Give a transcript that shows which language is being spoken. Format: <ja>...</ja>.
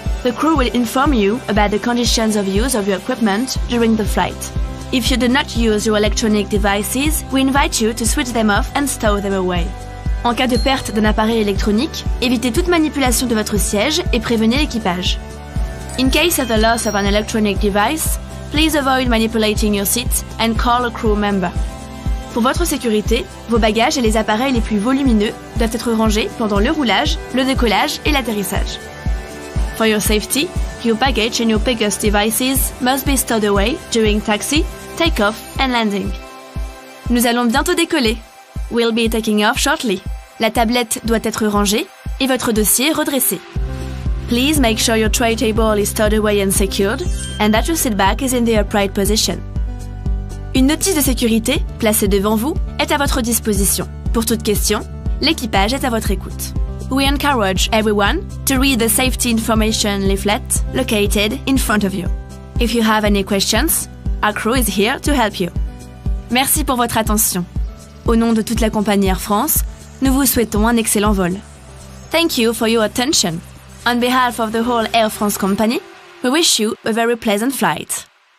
<en>The crew will inform you about the conditions of use of your equipment during the flight. If you do not use your electronic devices, we invite you to switch them off and stow them away.</en> <fr>En cas de perte d'un appareil électronique, évitez toute manipulation de votre siège et prévenez l'équipage.</fr> <en>In case of the loss of an electronic device, please avoid manipulating your seat and call a crew member.</en> <fr>Pour votre sécurité, vos bagages et les appareils les plus volumineux doivent être rangés pendant le roulage, le décollage et l'atterrissage.</fr> <en>For your safety, your baggage and your biggest devices must be stowed away during taxi, take-off and landing.</en> <fr>Nous allons bientôt décoller.</fr> <en>We'll be taking off shortly.</en> <fr>La tablette doit être rangée et votre dossier redressé.</fr> <en>Please make sure your tray table is stowed away and secured, and that your seat back is in the upright position.</en> <fr>Une notice de sécurité, placée devant vous, est à votre disposition. Pour toute question, l'équipage est à votre écoute.</fr> <en>We encourage everyone to read the safety information leaflet located in front of you. If you have any questions, our crew is here to help you.</en> <fr>Merci pour votre attention. Au nom de toute la compagnie Air France, nous vous souhaitons un excellent vol.</fr> <en>Thank you for your attention. On behalf of the whole Air France company, we wish you a very pleasant flight.</en>